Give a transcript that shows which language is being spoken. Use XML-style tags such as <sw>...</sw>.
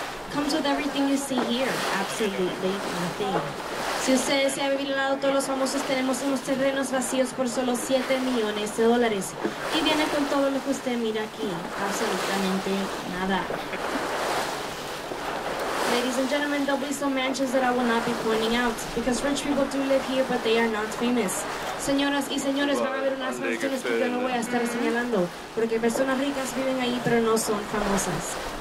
<en>Comes with everything you see here, absolutely nothing.</en> <es>Si usted desea vivir al lado de todos los famosos, tenemos unos terrenos vacíos por solo $7 millones. Y viene con todo lo que usted mira aquí, absolutamente nada.</es> <en>Ladies and gentlemen, there'll be some mansions that I will not be pointing out, because rich people do live here, but they are not famous.</en> <es>Señoras y señores, van a haber unas mansiones que yo no voy a estar señalando, porque personas ricas viven ahí, pero no son famosas.</es>